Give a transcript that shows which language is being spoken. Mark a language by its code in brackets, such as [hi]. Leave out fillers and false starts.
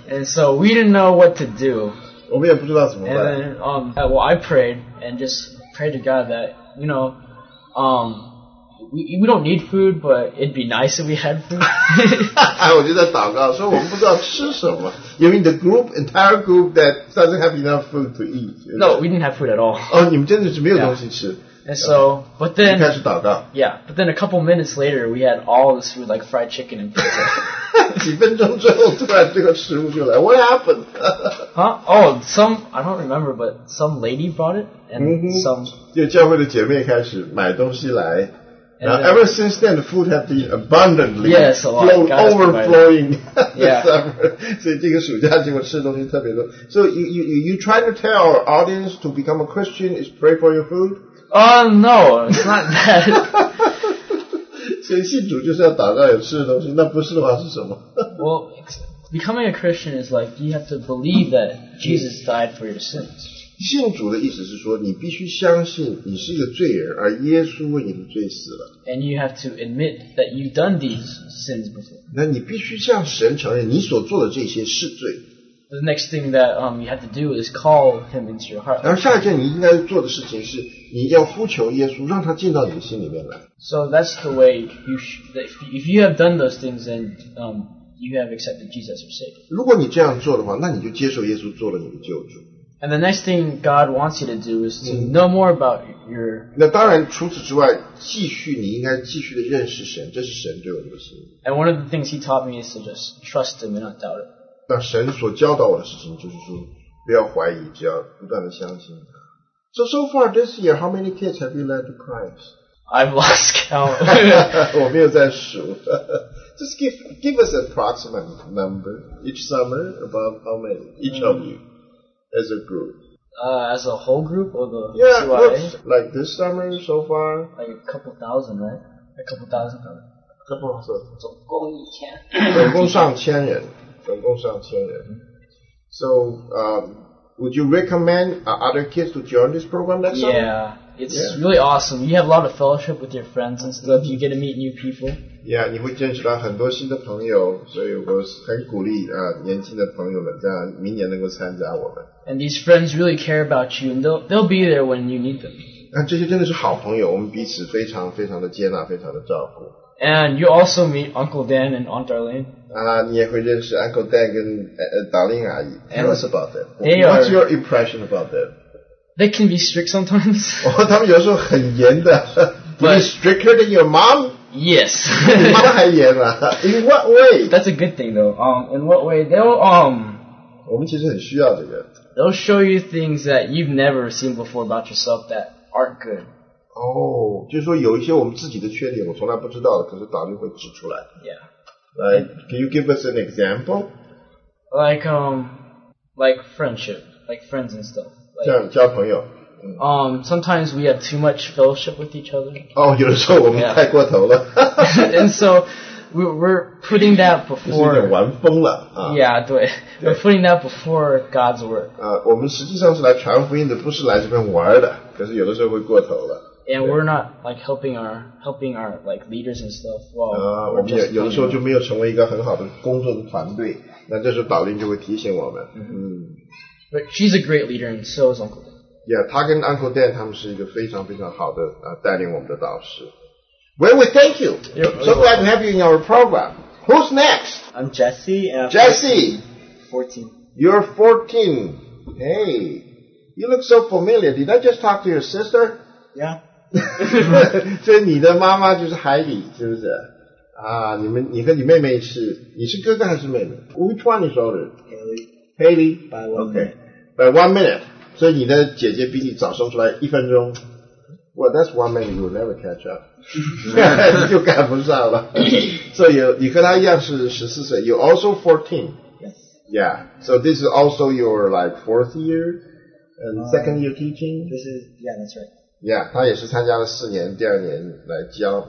[en] And so we didn't know what to do. [zh] 我们也不知道怎么办。 [en] And then, I prayed and just prayed to God that, you know, We don't need food, but it'd be nice if we had food. [zh] 我就在祷告说我们不知道吃什么。 [en] You mean the group, entire group that doesn't have enough food to eat? No, we didn't have food at all. [zh] 你们真的是没有东西吃。 [en] And so, but then... [zh] 你开始祷告。 [en] Yeah, but then a couple minutes later, we had all this food, like fried chicken and pizza. [zh] 几分钟之后突然这个食物就来。 [en] What happened? I don't remember, but some lady brought it, and some... [zh] 就教会的姐妹开始买东西来。 [en] And now, ever since then, the food has been abundantly overflowing. So you try to tell our audience to become a Christian is pray for your food? No, it's not that. [zh] 所以信主就是要祷告有吃的东西，那不是的话是什么？ [en] Well, becoming a Christian is like you have to believe that Jesus died for your sins. [zh] 信主的意思是说，你必须相信你是一个罪人，而耶稣为你的罪死了。 [en] And you have to admit that you've done these sins before. [zh] 那你必须向神承认你所做的这些是罪。 [en] The next thing that you have to do is call him into your heart. [zh] 然后下一件你应该做的事情是，你要呼求耶稣，让他进到你的心里面来。 [en] So that's the way you should. If you have done those things, then you have accepted Jesus as your Savior. [zh] 如果你这样做的话，那你就接受耶稣做了你的救主。 [en] And the next thing God wants you to do is to know more about your. [zh] 那当然，除此之外，继续你应该继续的认识神，这是神对我们的心。 [en] And one of the things He taught me is to just trust Him and not doubt it. [zh] 那神所教导我的事情就是说，不要怀疑，只要不断的相信他。 [en] So far this year, how many kids have you led to Christ? I've lost count. [zh] 我没有在数。 [en] Just give us an approximate number each summer about how many each of you. As a group. As a whole group or the CYA? Yeah, looks like this summer so far. Like a couple thousand, right? A couple thousand. A couple thousand. [zh] 总共一千。总共上千人。总共上千人。 [en] So, would you recommend other kids to join this program next time? Yeah, it's really awesome. You have a lot of fellowship with your friends and stuff. You get to meet new people. [zh] Yeah, 你会认识到很多新的朋友，所以我很鼓励年轻的朋友们在明年能够参加我们。 [en] And these friends really care about you, and they'll be there when you need them. [zh] 那这些真的是好朋友，我们彼此非常非常的接纳，非常的照顾。 [en] And you also meet Uncle Dan and Aunt Darlene. [zh] 你也会认识 Uncle Dan 跟 Darlene 阿姨。 [en] Tell us about them. They What's are, your impression about them? They can be strict sometimes. 他们有时候很严的。 But stricter than your mom? Yes. 你妈还严啊。 In what way? That's a good thing though. In what way? They'll, [zh] 我们其实很需要这个。 [en] They'll show you things that you've never seen before about yourself that aren't good. [zh] 就是说有一些我们自己的缺点我从来不知道的，可是导就会指出来。 [en] Yeah. Like, can you give us an example? Like friendship, like friends and stuff. Like, [zh] 交朋友。 [en] Sometimes we have too much fellowship with each other. [zh] 有的时候我们太过头了。 [en] And so we're putting that before. [zh] 就是有点玩疯了。 [en] Yeah, [zh] 对。 [en] We're putting that before God's work. [zh] 我们实际上是来传福音的，不是来这边玩的，可是有的时候会过头了。 [en] And we're not like helping our like leaders and stuff. Well, [zh] 我们有的时候就没有成为一个很好的工作的团队。那这时候导林就会提醒我们。 [en] But she's a great leader, and so is Uncle Dan. [zh] Yeah, 他跟 Uncle Dan 他们是一个非常非常好的带领我们的导师。 [en] Well, we thank you. So glad to have you in our program. Who's next? I'm Jesse. Jesse. 14. You're 14. Hey, you look so familiar. Did I just talk to your sister? Yeah. [zh] 所以你的妈妈就是海里，是不是？你和你妹妹是，你是哥哥还是妹妹 ？ [en] Which one is older? Haley. By one. Okay. By one minute. [zh] 所以你的姐姐比你早生出来一分钟。 [en] Well, that's one minute you'll never catch up. [zh] 就赶不上了。所以你和她一样是14岁。 [en] You're also 14. Yes. Yeah. So this is also your like fourth year and second year teaching. This is yeah. That's right. [zh] Yeah, 他也是参加了四年，第二年来教。